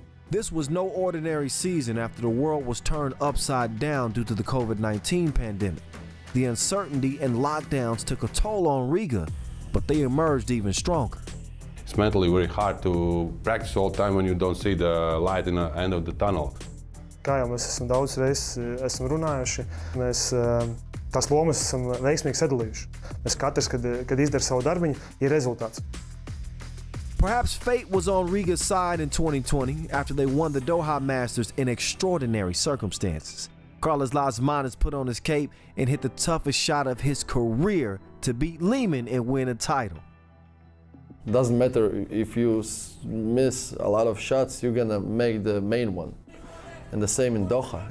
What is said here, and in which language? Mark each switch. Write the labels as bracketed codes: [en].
[en] This was no ordinary season after the world was turned upside down due to the COVID-19 pandemic. The uncertainty and lockdowns took a toll on Riga, but they emerged even stronger. It's mentally very hard to practice all the time when you don't see the light in the end of the tunnel. [lv] Kā jau mēs esam daudz reizes esam runājuši, mēs tās lomas esam veiksmīgi sadalījuši. Mēs katrs, kad izdara savu darbiņu, ir rezultāts. [en] Perhaps fate was on Riga's side in 2020 after they won the Doha Masters in extraordinary circumstances. Carlos Lazmanis put on his cape and hit the toughest shot of his career to beat Lehman and win a title. Doesn't matter if you miss a lot of shots, you're gonna make the main one. And the same in Doha.